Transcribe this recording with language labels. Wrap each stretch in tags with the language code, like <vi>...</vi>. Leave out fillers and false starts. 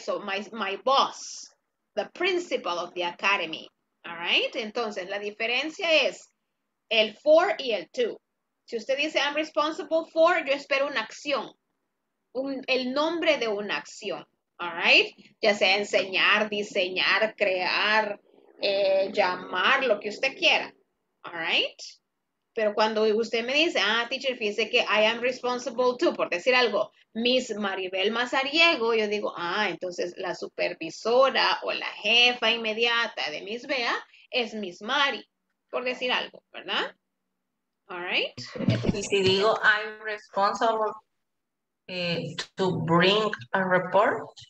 <en>So my boss, the principal of the academy. All right?</en> <es>Entonces, la diferencia es el for y el to. Si usted dice</es> <en>I'm responsible for,</en> <es>yo espero una acción. El nombre de una acción. All right? Ya sea enseñar, diseñar, crear, llamar, lo que usted quiera. All right? Pero cuando usted me dice, teacher, fíjese que</es> <en>I am responsible to,</en> <es>por decir algo, Miss Maribel Mazariego, yo digo, entonces la supervisora o la jefa inmediata de Miss Bea es Miss Mari, por decir algo, ¿verdad?</es> <en>All right?</en> <es>Y si digo,</es> <en>I'm responsible to bring a report.</en>